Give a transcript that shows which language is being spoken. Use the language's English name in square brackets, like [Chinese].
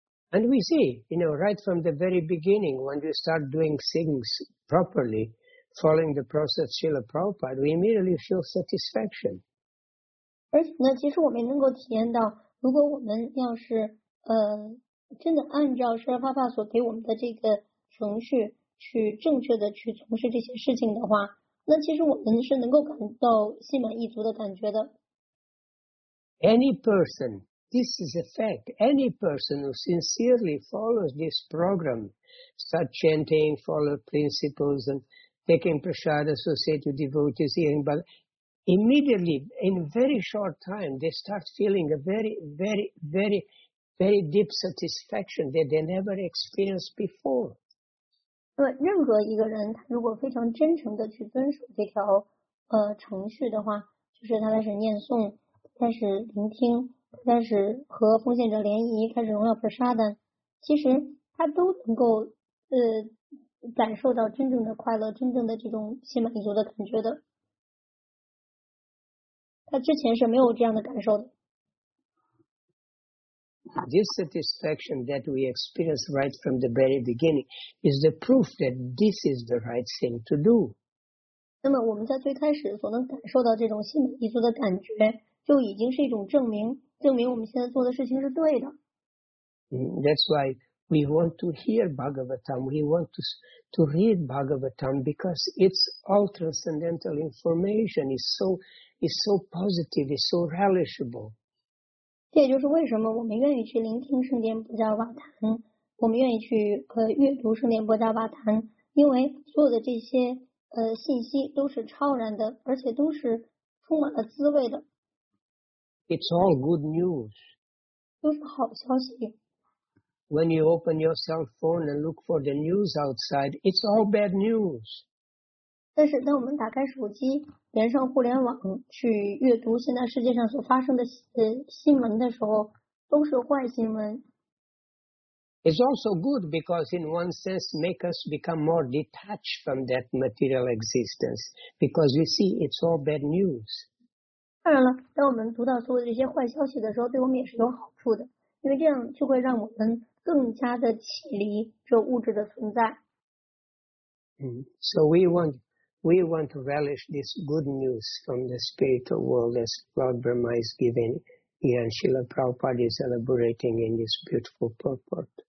[English] And we see, you know, right from the very beginning, when you start doing things properly, following the process Srila Prabhupada, we immediately feel satisfaction. [Chinese] 而且呢，其实我们能够体验到，如果我们要是真的按照Srila Prabhupada所给我们的这个程序去正确的去从事这些事情的话，那其实我们是能够感到心满意足的感觉的。 [English] Any person, this is a fact. Any person who sincerely follows this program, start chanting, follow principles, and taking prasad associated with devotees, hearing, but immediately, in a very short time, they start feeling a very, very, very, very deep satisfaction that they never experienced before. [Chinese] 那么任何一个人他如果非常真诚的去遵守这条程序的话，就是他开始念诵，开始聆听，开始和奉献者联谊，开始荣耀prasada，其实他都能够感受到真正的快乐，真正的这种心满意足的感觉的。他之前是没有这样的感受的。 [English] This satisfaction that we experience right from the very beginning is the proof that this is the right thing to do. [Chinese] 那么我们在最开始所能感受到这种心满意足的感觉，就已经是一种证明，证明我们现在做的事情是对的。 [English] That's why we want to hear Bhagavatam. We want to read Bhagavatam because it's all transcendental information. It's so positive. It's so relishable. [Chinese] 这也就是为什么我们愿意去聆听圣殿波迦瓦坛，我们愿意去阅读圣殿波迦瓦坛，因为所有的这些信息都是超然的，而且都是充满了滋味的。 [English] It's all good news. [Chinese] 都是好消息。 [English] When you open your cell phone and look for the news outside, it's all bad news. [Chinese] 但是当我们打开手机，连上互联网去阅读现在世界上所发生的新闻的时候，都是坏新闻。 [English] It's also good because in one sense make us become more detached from that material existence because we see it's all bad news. [Chinese] 当然了，当我们读到所有这些坏消息的时候，对我们也是有好处的，因为这样就会让我们更加的启离这物质的存在。 [English] So we want to relish this good news from the spiritual world as Lord Brahma is giving here and Srila Prabhupada is elaborating in this beautiful purport.